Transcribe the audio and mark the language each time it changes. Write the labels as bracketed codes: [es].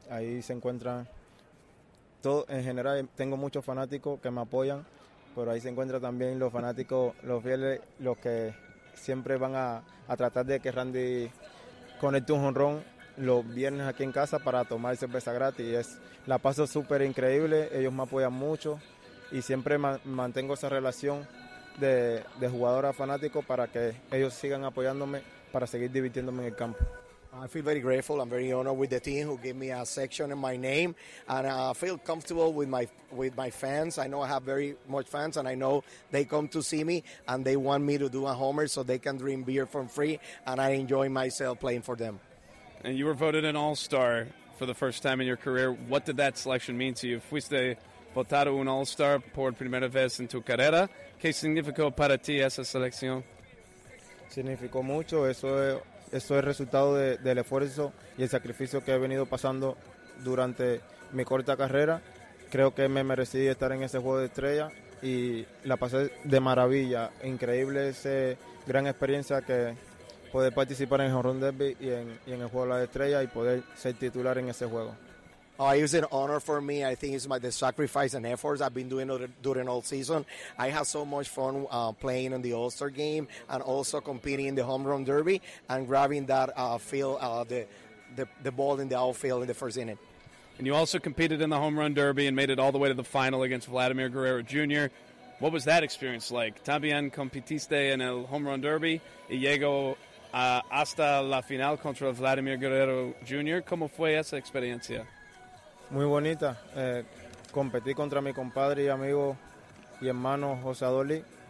[es] Ahí se encuentra todo, en general tengo muchos fanáticos que me apoyan, pero ahí se encuentran también los fanáticos, los fieles, los que siempre van a tratar de que Randy conecte un jonrón los viernes aquí en casa para tomar cerveza gratis. La paso súper increíble, ellos me apoyan mucho y siempre mantengo esa relación de jugador a fanático para que ellos sigan apoyándome para seguir divirtiéndome en el campo. [en] I feel very grateful and very honored with the team who gave me a section in my name, and I feel comfortable with my fans. I know I have very much fans, and I know they come to see me and they want me to do a homer so they can drink beer for free, and I enjoy myself playing for them. And you were voted an All-Star for the first time in your career. What did that selection mean to you? [es] Fuiste votado un All-Star por primera vez en tu carrera. ¿Qué significó para ti esa selección? Significó mucho. Eso es resultado del esfuerzo y el sacrificio que he venido pasando durante mi corta carrera. Creo que me merecí estar en ese juego de estrella y la pasé de maravilla. Increíble esa gran experiencia que poder participar en el Home Run Derby y en el juego de las estrellas y poder ser titular en ese juego. [en] Oh, it was an honor for me. I think it's my the sacrifice and efforts I've been doing during all season. I had so much fun playing in the All-Star game and also competing in the Home Run Derby and grabbing that the ball in the outfield in the first inning. And you also competed in the Home Run Derby and made it all the way to the final against Vladimir Guerrero Jr. What was that experience like? [es] También competiste en el Home Run Derby y llegó hasta la final contra Vladimir Guerrero Jr. ¿Cómo fue esa experiencia? Muy bonita. Competí contra mi compadre y amigo y hermano José Adolí.